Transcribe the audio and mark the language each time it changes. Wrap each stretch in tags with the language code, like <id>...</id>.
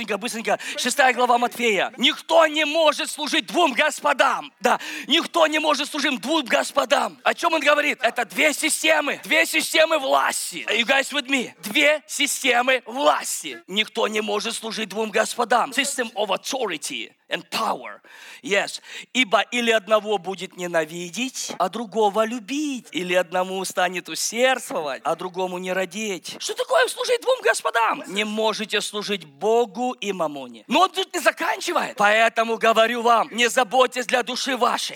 <ru>Быстренько. 6 глава Матфея. Никто не может служить двум господам. Да, никто не может служить двум господам. Господам. О чем он говорит? Это две системы. Две системы власти.</ru> <en>Are you guys with me?</en> <ru>Две системы власти. Никто не может служить двум господам.</ru> <en>System of authority and power. Yes.</en> <ru>Ибо или одного будет ненавидеть, а другого любить. Или одному станет усердствовать, а другому не родить. Что такое служить двум господам? Не можете служить Богу и мамоне. Но он тут не заканчивает. Поэтому говорю вам, не заботьтесь для души вашей,</ru>